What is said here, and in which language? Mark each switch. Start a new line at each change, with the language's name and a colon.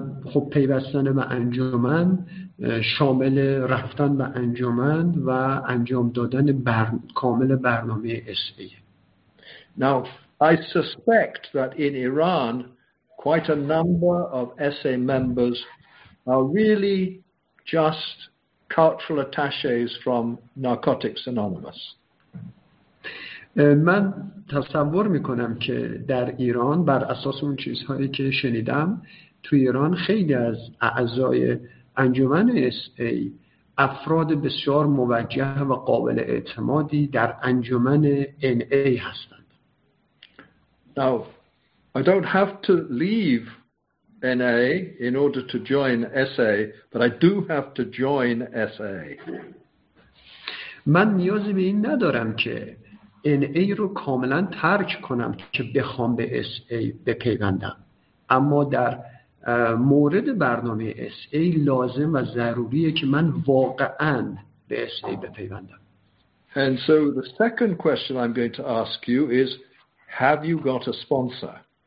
Persian: خب پیوستن به انجمن شامل رفتن به انجمن و انجام دادن کامل برنامه SA.
English: Now I suspect that in Iran, quite a number of SA members are really just cultural attachés from Narcotics Anonymous.
Persian: من تصور میکنم که در ایران بر اساس اون چیزهایی که شنیدم، تو ایران خیلی از اعضای انجمن SA افراد بسیار موجه و قابل اعتمادی در انجمن NA هستند.
English: Now, I don't have to leave NA in order to join SA, but I do have to join SA.
Persian: من نیازی به این ندارم که NA رو کاملا ترک کنم که بخوام به SA بپیوندم. اما در مورد برنامه SA لازم و ضروریه که من واقعا به SA بپیوندم.
English: And so the second question I'm going to ask you is, have you got a sponsor?